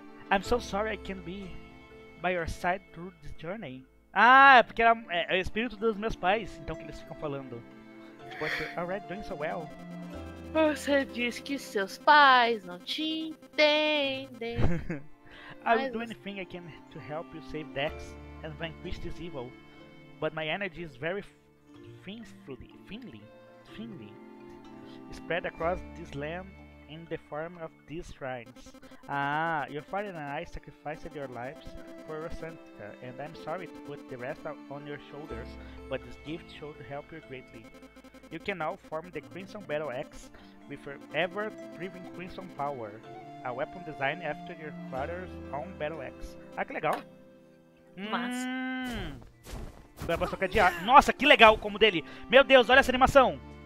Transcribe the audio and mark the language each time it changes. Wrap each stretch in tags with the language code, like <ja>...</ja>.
<en>I'm so sorry I can't be by your side through this journey.</en> <pt>Ah, é porque é o espírito dos meus pais, então que eles ficam falando.</pt> <en>But you're already doing so well.</en> <pt>Você diz que seus pais não te entendem.</pt> <en>I'll do anything I can to help you save Dex and vanquish this evil. But my energy is very thinly spread across this land in the form of these shrines. Ah, your father and I sacrificed your lives for Rosantica, and I'm sorry to put the rest on your shoulders, but this gift should help you greatly. You can now form the Crimson Battle Axe with your ever-driven Crimson Power, a weapon designed after your father's own Battle Axe.</en> <pt>Ah, que legal! Mas Agora posso trocar de ar. Nossa, que legal o combo dele! Meu Deus, olha essa animação!</pt>